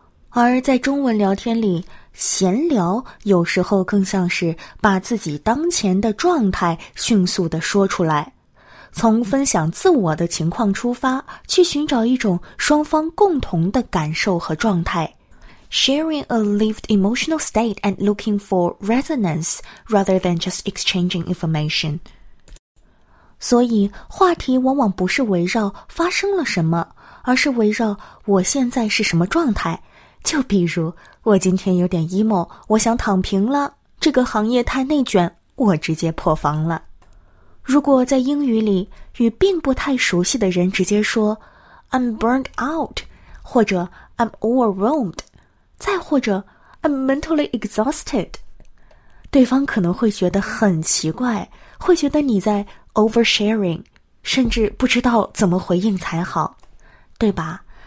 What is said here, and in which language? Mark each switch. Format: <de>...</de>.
<zh>而在中文聊天里，闲聊有时候更像是把自己当前的状态迅速地说出来，从分享自我的情况出发，去寻找一种双方共同的感受和状态。</zh> <en>Sharing a lived emotional state and looking for resonance rather than just exchanging information。</en> <zh>所以话题往往不是围绕发生了什么，而是围绕我现在是什么状态。就比如我今天有点 emo， 我想躺平了，这个行业太内卷，我直接破防了。如果在英语里与并不太熟悉的人直接说</zh> <en>I'm burned out，</en> <zh>或者</zh> <en>I'm overwhelmed，</en> <zh>再或者</zh> <en>I'm mentally exhausted，</en> <zh>对方可能会觉得很奇怪，会觉得你在 oversharing， 甚至不知道怎么回应才好，对吧？</zh>